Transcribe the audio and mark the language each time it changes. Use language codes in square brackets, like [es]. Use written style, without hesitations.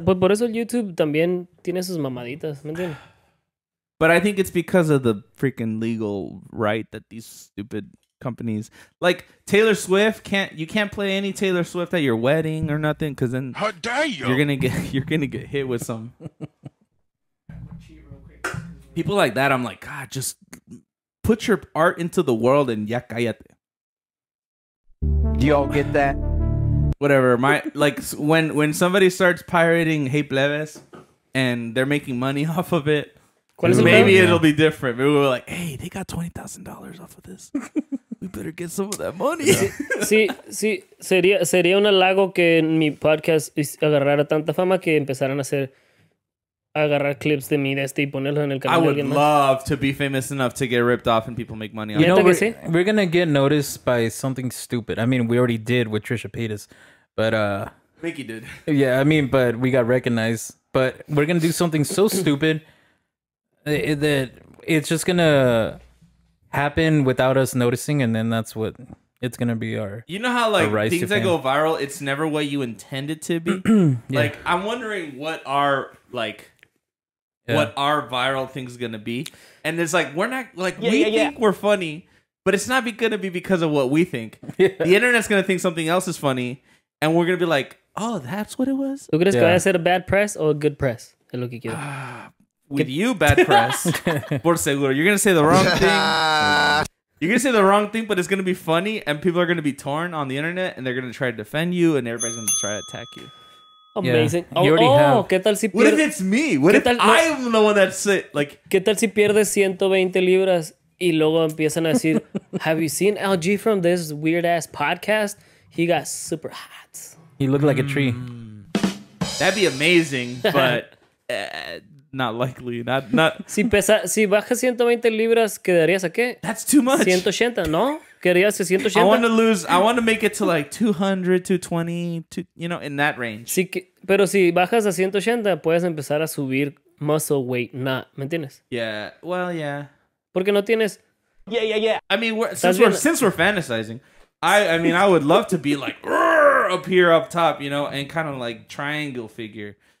[es] Pues por eso el YouTube también tiene sus mamaditas, ¿me entiendes? [en] But I think it's because of the freaking legal right that these stupid companies, like Taylor Swift, you can't play any Taylor Swift at your wedding or nothing, because then how dare you? You're gonna get hit with some. People like that, I'm like, God, just put your art into the world and [es] ya cállate. [en] Do y'all get that? Whatever. when somebody starts pirating Hey Plebes and they're making money off of it, maybe it'll be different. Maybe we're like, hey, they got $20,000 off of this. We better get some of that money. [es] Sí, sería un halago que en mi podcast agarrara tanta fama que empezaran a hacer... agarrar clips de mí de este y ponerlo en el canal. [en] I would [es] de alguien [en] love [es] más. [en] To be famous enough to get ripped off and people make money you on know, it. We're gonna get noticed by something stupid. I mean, we already did with Trisha Paytas, but Mickey did. Yeah, I mean, but we got recognized. But we're gonna do something so stupid that it's just gonna happen without us noticing, and then that's what it's gonna be. Our you know how like things that go viral, it's never what you intended to be. Like, I'm wondering what our what our viral thing's gonna be, and it's like we're not like we think we're funny, but it's not gonna be because of what we think. The internet's gonna think something else is funny, and we're gonna be like, oh, that's what it was. [es] ¿Tú crees que va a ser [en] a bad press or a good press? [es] Es lo que quiero. [en] With you, bad press. [es] Por seguro, [en] you're gonna say the wrong thing. You're gonna say the wrong thing, but it's gonna be funny, and people are gonna be torn on the internet, and they're gonna try to defend you, and everybody's gonna try to attack you. Amazing. Yeah. [es] ¿Qué tal si pierdes? [en] What if it's me? What if I'm the one that's it? Like, [es] ¿qué tal si pierdes 120 libras y luego empiezan a decir, [en] have you seen LG from this weird ass podcast? He got super hot. He looked like a tree. That'd be amazing, but Not likely. Not. [es] Si pesa, si bajas 120 libras, quedarías a qué? [en] That's too much. [es] 180, no? Querías 180. [en] I want to lose. I want to make it to like 200, 220, to, you know, in that range. [es] Si que, pero si bajas a 180, puedes empezar a subir [en] muscle weight, not. [es] ¿Me entiendes? [en] Yeah. Well, yeah. [es] Porque no tienes. [en] Yeah, yeah, yeah. I mean, since we're fantasizing, I mean, I would love to be like up here, up top, you know, and kind of like triangle figure.